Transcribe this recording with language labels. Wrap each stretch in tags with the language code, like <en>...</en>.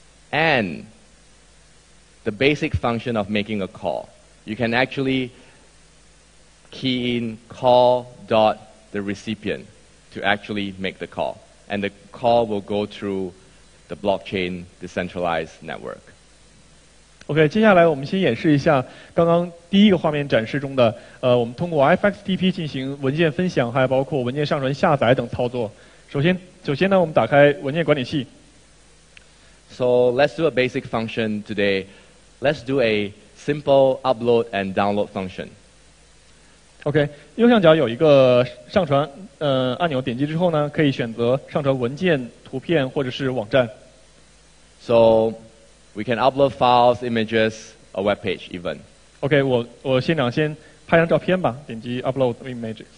<en>And the basic function of making a call. You can actually key in call.therecipient to actually make the call. And the call will go through the blockchain decentralized network.</en> <zh>OK, 接下来我们先演示一下刚刚第一个画面展示中的 我们通过FXTP进行文件分享 还包括文件上传下载等操作。首先呢我们打开文件管理器。</zh> <en>So let's do a basic function today. Let's do a simple upload and download function.</en> <zh>OK, 右上角有一个上传按钮，点击之后呢可以选择上传文件、图片或者是网站。</zh> <en>So we can upload files, images, a web page even.</en> <zh>Okay, 我先拍张照片吧, 点击</zh> <en>upload images.</en>